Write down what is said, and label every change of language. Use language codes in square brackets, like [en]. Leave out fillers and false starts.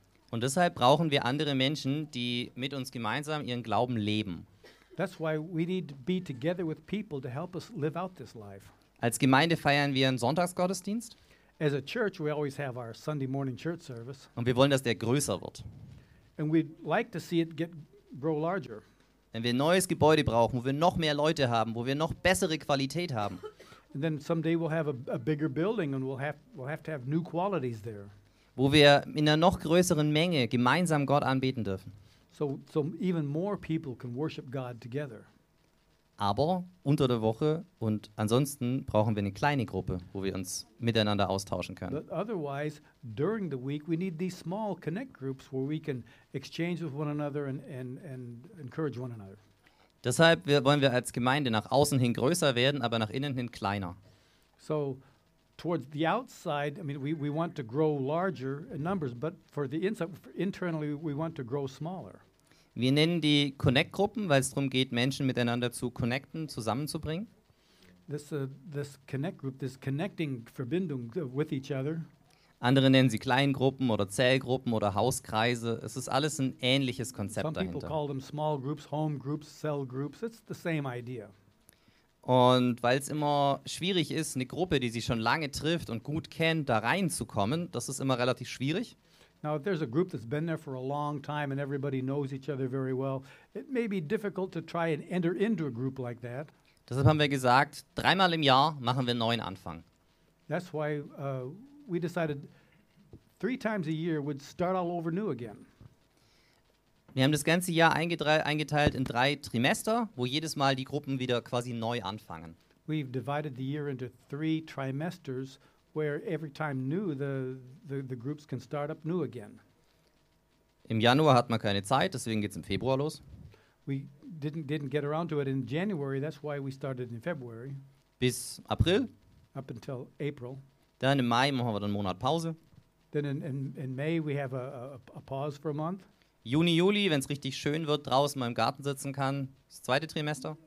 [de] Und deshalb brauchen wir andere Menschen, die mit uns gemeinsam ihren Glauben leben. [en] That's why we need to be together with people to help us live out this life. [de] Als Gemeinde feiern wir einen Sonntagsgottesdienst. [en] As a church, we always have our Sunday morning church service. [de] Und wir wollen, dass der größer wird. [en] And we'd like to see it grow larger. [de] Wenn wir ein neues Gebäude brauchen, wo wir noch mehr Leute haben, wo wir noch bessere Qualität haben. [en] And then someday we'll have a bigger building and we'll have to have new qualities there. [de] Wo wir in einer noch größeren Menge gemeinsam Gott anbeten dürfen. [en] So even more people can worship God together. [de] Aber unter der Woche und ansonsten brauchen wir eine kleine Gruppe, wo wir uns miteinander austauschen können. [en] But otherwise, during the week, we need these small connect groups where we can exchange with one another and encourage one another. [de] Deshalb wollen wir als Gemeinde nach außen hin größer werden, aber nach innen hin kleiner. [en] So towards the outside, I mean, we want to grow larger in numbers, but for the inside, for internally, we want to grow smaller. [de] Wir nennen die Connect-Gruppen, weil es darum geht, Menschen miteinander zu connecten, zusammenzubringen. [en] This connect group, this connecting Verbindung with each other. [de] Andere nennen sie Kleingruppen oder Zellgruppen oder Hauskreise. Es ist alles ein ähnliches Konzept dahinter. [en] Some people call them small groups, home groups, cell groups. It's the same idea. [de] Und weil es immer schwierig ist, eine Gruppe, die sich schon lange trifft und gut kennt, da reinzukommen, das ist immer relativ schwierig. [en] Now, if there's a group that's been there for a long time and everybody knows each other very well, it may be difficult to try and enter into a group like that. [de] Deshalb haben wir gesagt, dreimal im Jahr machen wir einen neuen Anfang. [en] That's why we decided three times a year would start all over new again. [de] Wir haben das ganze Jahr eingeteilt in drei Trimester, wo jedes Mal die Gruppen wieder quasi neu anfangen. [en] We've divided the year into three trimesters, where every time new the groups can start up new again. [de] Im Januar hat man keine Zeit, deswegen geht's im Februar los. [en] We didn't get around to it in January, that's why we started in February. [de] Bis April? [en] Up until April. [de] Dann im Mai machen wir einen Monat Pause. [en] Then in May we have a pause for a month. [de] Juni, Juli, wenn es richtig schön wird, draußen mal im Garten sitzen kann, das zweite Trimester.